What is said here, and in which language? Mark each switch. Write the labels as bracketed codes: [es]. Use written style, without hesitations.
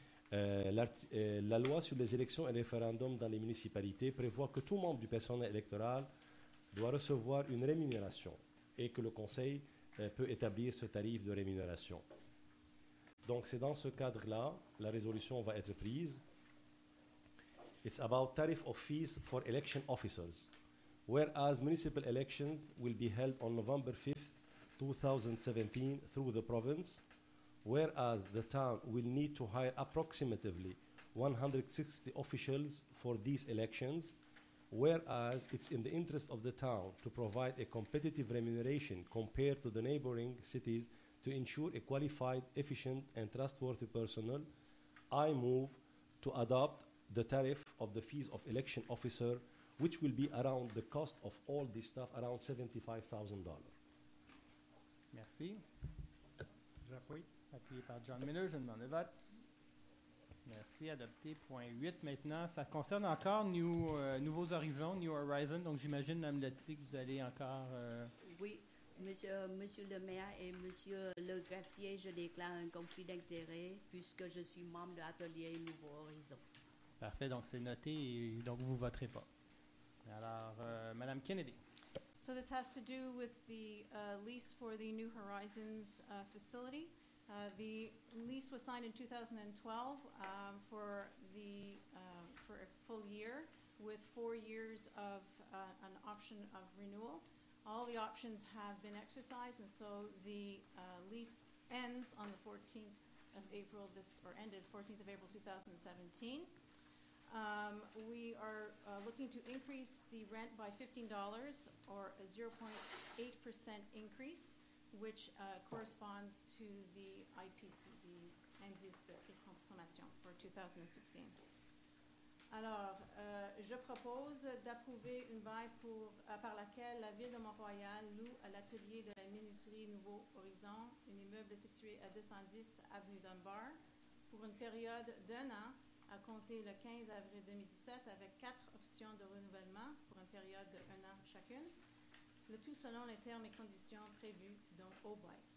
[fr] La loi sur les élections et référendums dans les municipalités prévoit que tout membre du personnel électoral doit recevoir une rémunération et que le conseil peut établir ce tarif de rémunération. Donc c'est dans ce cadre-là la résolution va être prise. [en] It's about tariff of fees for election officers. Whereas municipal elections will be held on November 5th, 2017 through the province. Whereas the town will need to hire approximately 160 officials for these elections. Whereas it's in the interest of the town to provide a competitive remuneration compared to the neighboring cities to ensure a qualified, efficient, and trustworthy personnel, I move to adopt the tariff of the fees of election officer which will be around the cost of all this stuff, around $75,000. [fr] Merci. J'appuie. Appuyé par John Miller, je demande le vote. Merci. Adopté. Point 8 maintenant. Ça concerne encore Nouveaux Horizons, New Horizons. Donc, j'imagine, Mme Letty, que vous allez encore... Oui. Monsieur le maire et monsieur le greffier, je déclare un conflit d'intérêt puisque je suis membre de l'atelier Nouveau Horizon. Parfait, donc c'est noté et donc vous voterez pas. Alors, Madame Kennedy. [en] So this has to do with the lease for the New Horizons facility. The lease was signed in 2012 for a full year with 4 years of an option of renewal. All the options have been exercised, and so the lease ends on the 14th of April, ended 14th of April 2017. We are looking to increase the rent by $15, or a 0.8% increase, which corresponds to the IPC, the [fr] indice de consommation [en] for 2016. [fr] Alors, je propose d'approuver une bail par laquelle la ville de Mont-Royal loue à l'atelier de la menuiserie Nouveau Horizon un immeuble situé à 210 avenue Dunbar pour une période d'un an à compter le 15 avril 2017 avec 4 options de renouvellement pour une période d'un an chacune, le tout selon les termes et conditions prévus, donc au bail.